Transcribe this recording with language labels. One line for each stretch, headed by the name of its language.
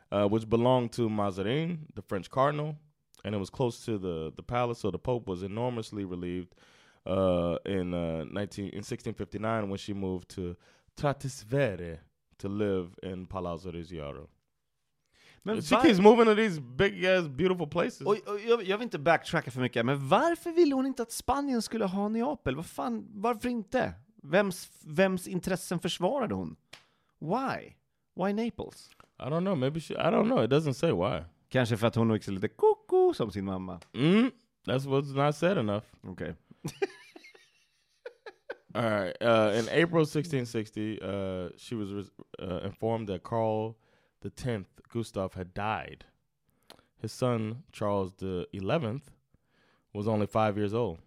English: Which belonged to Mazarin, the French cardinal. And it was close to the palace. So the Pope was enormously relieved in 1659 when she moved to Trastevere to live in Palazzo Reggiano. She keeps moving to these big ass beautiful places.
Swedish: Jag vill inte backtracka för mycket, men varför ville hon inte att Spanien skulle ha Neapel? Vad fan, varför inte? Vems intressen försvarade hon?
English: Why? Why Naples? I don't know. Maybe she. I don't know. It doesn't say why.
Swedish: Kanske för att hon växer lite koko som sin mamma. Mm.
English: That's what's not said enough. Okay. All right. In April 1660, she was informed that Carl the 10th, Gustav, had died. His son, Charles the 11th, was only 5 years old.